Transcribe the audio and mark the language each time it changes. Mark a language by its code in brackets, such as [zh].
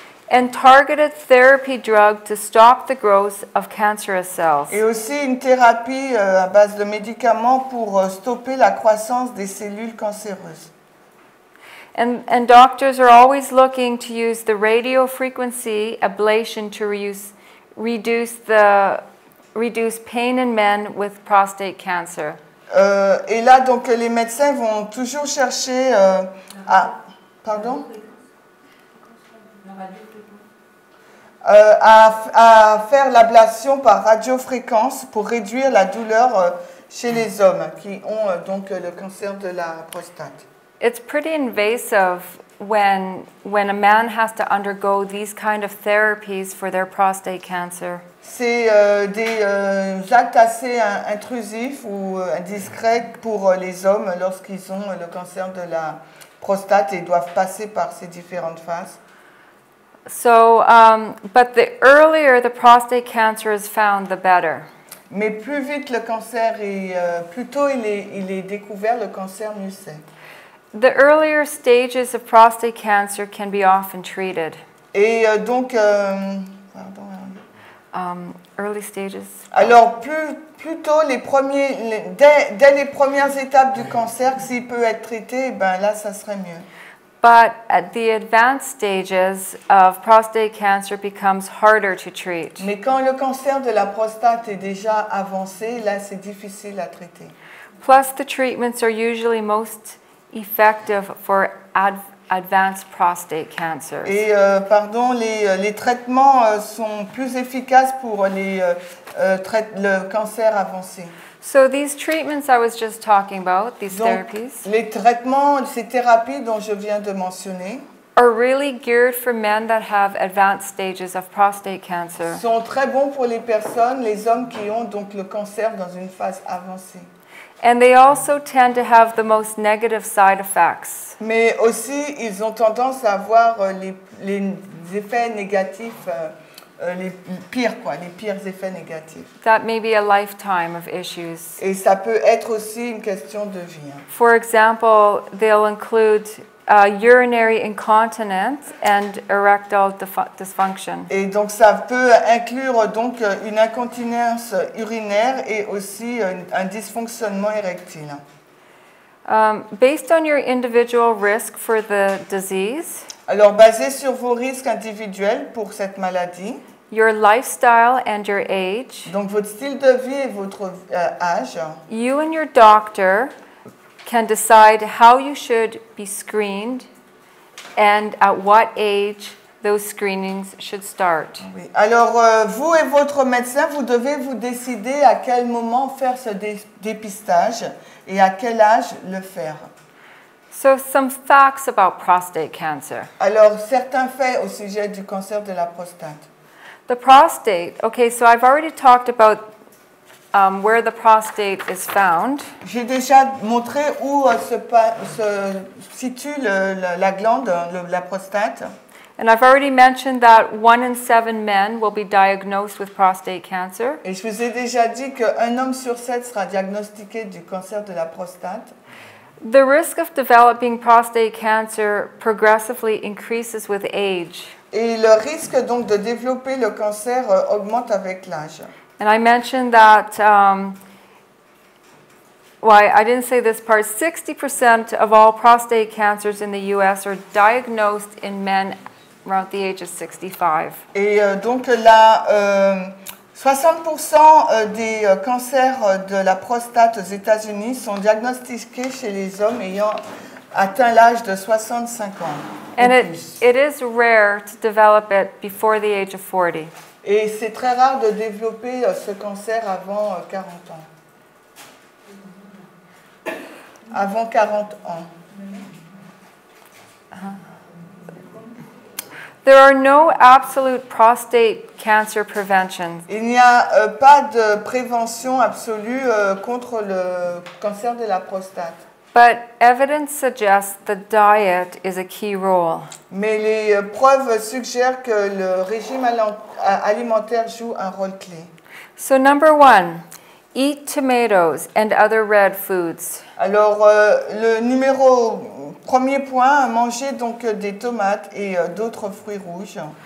[en] And targeted therapy drug to stop the growth of cancerous cells. [fr] Et aussi une thérapie à base de médicaments pour stopper la croissance des cellules cancéreuses. [en] And doctors are always looking to use the radio frequency ablation to reduce pain in men with prostate cancer. [fr] Et là donc les médecins vont toujours chercher à faire l'ablation par radiofréquence pour réduire la douleur chez les hommes qui ont donc le cancer de la prostate. [en] It's pretty invasive when a man has to undergo these kind of therapies for their prostate cancer. [fr] C'est des actes assez intrusifs ou indiscrets pour les hommes lorsqu'ils ont le cancer de la prostate et doivent passer par ces différentes phases. [en] So, but the earlier the prostate cancer is found, the better. [fr] Mais plus vite le cancer est plus tôt il est découvert le cancer, mieux c'est. [en] The earlier stages of prostate cancer can be often treated. [fr] Et donc, pardon. [en] Early stages. [fr] Alors plutôt dès les premières étapes du cancer, s'il peut être traité, ben là, ça serait mieux. [en] But at the advanced stages of prostate cancer becomes harder to treat. [fr] Mais quand le cancer de la prostate est déjà avancé, là, c'est difficile à traiter. [en] Plus, the treatments are usually most effective for advanced prostate cancers. [fr] Et pardon, les traitements sont plus efficaces pour les le cancer avancé. [en] So these treatments I was just talking about, these [fr] Donc, [en] therapies. [fr] Les traitements, ces thérapies dont je viens de mentionner. [en] Are really geared for men that have advanced stages of prostate cancer. [fr] Sont très bons pour les personnes, les hommes qui ont donc le cancer dans une phase avancée. [en] And they also tend to have the most negative side effects. [fr] Mais aussi, ils ont tendance à avoir les effets négatifs, les pires effets négatifs. [en] That may be a lifetime of issues. [fr] Et ça peut être aussi une question de vie. Hein. [en] For example, they'll include urinary incontinence and erectile dysfunction. [fr] Et donc ça peut inclure donc une incontinence urinaire et aussi un dysfonctionnement érectile. [en] Based on your individual risk for the disease. [fr] Alors basé sur vos risques individuels pour cette maladie. [en] Your lifestyle and your age. [fr] Donc votre style de vie et votre âge. [en] You and your doctor. Can decide how you should be screened and at what age those screenings should start. [fr] Oui. Alors, vous et votre médecin, vous devez vous décider à quel moment faire ce dépistage et à quel âge le faire. [en] So, some facts about prostate cancer. [fr] Alors, certains faits au sujet du cancer de la prostate. [en] The prostate, okay, so I've already talked about where the prostate is found. [fr] J'ai déjà montré où se situe la glande, la prostate. [en] And I've already mentioned that 1 in 7 men will be diagnosed with prostate cancer. [fr] Et je vous ai déjà dit qu'un homme sur sept sera diagnostiqué du cancer de la prostate. [en] The risk of developing prostate cancer progressively increases with age. [fr] Et le risque donc de développer le cancer augmente avec l'âge. [en] And I mentioned that, I didn't say this part, 60% of all prostate cancers in the U.S. are diagnosed in men around the age of 65. [fr] Et donc là, 60% des cancers de la prostate aux États-Unis sont diagnostiqués chez les hommes ayant atteint l'âge de 65 ans. [en] And it is rare to develop it before the age of 40. [fr] Et c'est très rare de développer ce cancer avant 40 ans. Avant 40 ans. [en] There are no absolute prostate cancer prevention. [fr] Il n'y a pas de prévention absolue contre le cancer de la prostate. [en] But evidence suggests the diet is a key role. [fr] Mais les preuves suggèrent que le régime alimentaire joue un rôle clé. [en] So number one, eat tomatoes and other red foods. [fr] Alors le numéro premier point, manger donc des tomates et d'autres fruits rouges.